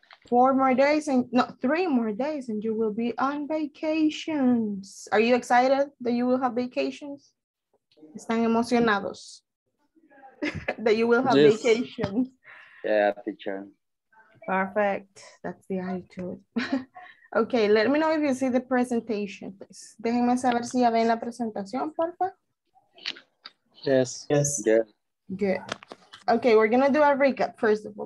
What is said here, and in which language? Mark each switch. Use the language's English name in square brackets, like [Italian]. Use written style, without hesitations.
[English] Three more days and you will be on vacations. Are you excited that you will have vacations? [Spanish] Están emocionados [English] that you will have vacations. Yeah, teacher. Perfect. That's the attitude. Okay, let me know if you see the presentation, please. [Spanish] Déjenme saber si ya ven la presentación, por favor. [English] Yes. Yes. Good. Okay, we're going to do a recap, first of all.